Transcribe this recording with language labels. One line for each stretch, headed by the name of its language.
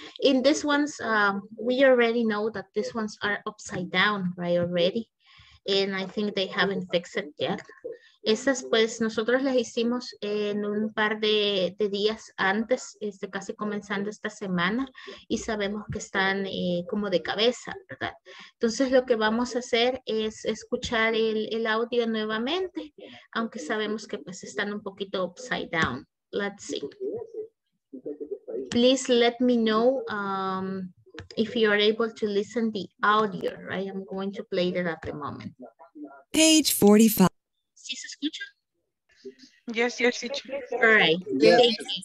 English: In this ones, we already know that this ones are upside down, right? Already. And I think they haven't fixed it yet.
Spanish: Esas, pues, nosotros las hicimos en un par de días antes, casi comenzando esta semana, y sabemos que están como de cabeza, ¿verdad? Entonces, lo que vamos a hacer es escuchar el audio nuevamente, aunque sabemos que, pues, están un poquito upside down.
English: Let's see. Please let me know if you are able to listen the audio, right? I'm going to play it at the moment. Page 45.
Spanish: ¿Sí se escucha?
English: Yes, yes, teacher. All right. Yes.